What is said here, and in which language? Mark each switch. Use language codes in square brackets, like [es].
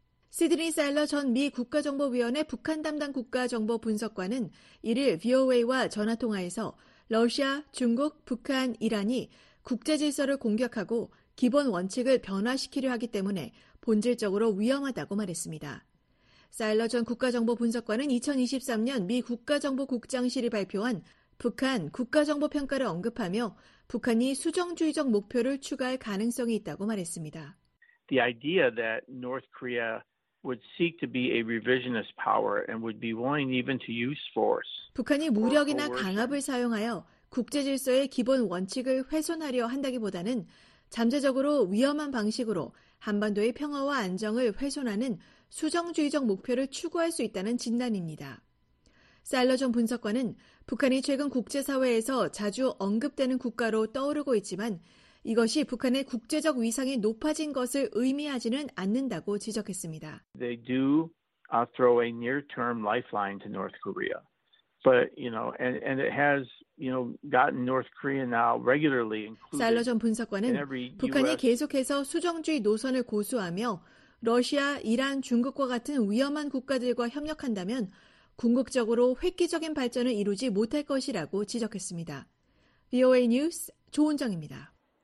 [ko] 시드니 사일러 전 미 국가정보위원회 북한 담당 국가정보분석관은 이를 VOA와 전화통화에서 러시아, 중국, 북한, 이란이 국제질서를 공격하고 기본 원칙을 변화시키려 하기 때문에 본질적으로 위험하다고 말했습니다. 사일러 전 국가정보분석관은 2023년 미 국가정보국장실이 발표한 북한 국가정보평가를 언급하며 북한이 수정주의적 목표를 추가할 가능성이 있다고 말했습니다. [en] The idea that North Korea would seek to be a revisionist power and would be willing even to use force. [ko] 북한이 무력이나 강압을 사용하여 국제 질서의 기본 원칙을 훼손하려 한다기보다는 잠재적으로 위험한 방식으로 한반도의 평화와 안정을 훼손하는 수정주의적 목표를 추구할 수 있다는 진단입니다. 사일러 전 분석관은 북한이 최근 국제사회에서 자주 언급되는 국가로 떠오르고 있지만 이것이 북한의 국제적 위상이 높아진 것을 의미하지는 않는다고 지적했습니다. [en] They do throw a near-term lifeline to North Korea. But, you know, and it has, you know, gotten North Korea now regularly included. [ko] 사일러 전 분석관은 북한이 계속해서 수정주의 노선을 고수하며 러시아, 이란, 중국과 같은 위험한 국가들과 협력한다면 궁극적으로 획기적인 발전을 이루지 못할 것이라고 지적했습니다. VOA 뉴스 조은정입니다.